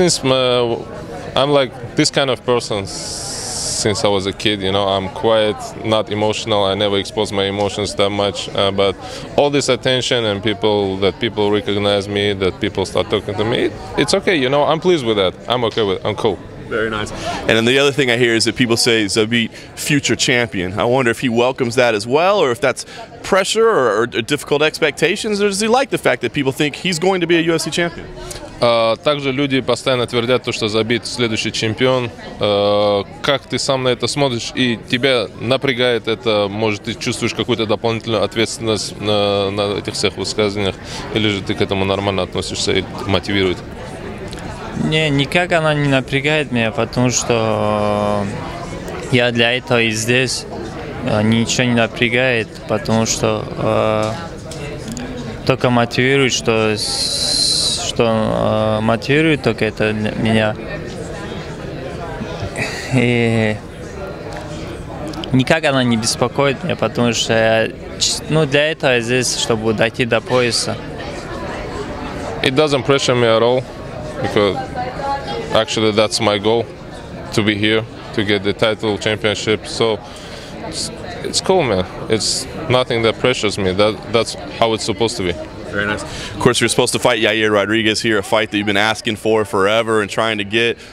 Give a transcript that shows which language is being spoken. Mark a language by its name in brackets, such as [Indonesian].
[English] I'm like this kind of person since I was a kid, you know, I'm quiet, not emotional, I never expose my emotions that much, but all this attention and people recognize me, that people start talking to me, it's okay, you know, I'm pleased with that, I'm cool. Very nice. And then the other thing I hear is that people say Zabit, future champion. I wonder if he welcomes that as well, or if that's pressure or difficult expectations, or does he like the fact that people think he's going to be a UFC champion? [Russian] Также люди постоянно твердят то, что Забит следующий чемпион. Как ты сам на это смотришь и тебя напрягает это? Может, ты чувствуешь какую-то дополнительную ответственность на этих всех высказываниях? Или же ты к этому нормально относишься и мотивирует? Не, никак она не напрягает меня, потому что я для этого и здесь. Ничего не напрягает, потому что только мотивирует, что мотивирует только это меня. И никак она не беспокоит меня, потому что я, ну, для этого я здесь, чтобы дойти до пояса. [English] It doesn't pressure me at all, because actually that's my goal, to be here, to get the title championship. So it's cool, man. It's nothing that pressures me. That's how it's supposed to be. Very nice. Of course, you're supposed to fight Yair Rodriguez here, a fight that you've been asking for forever and trying to get.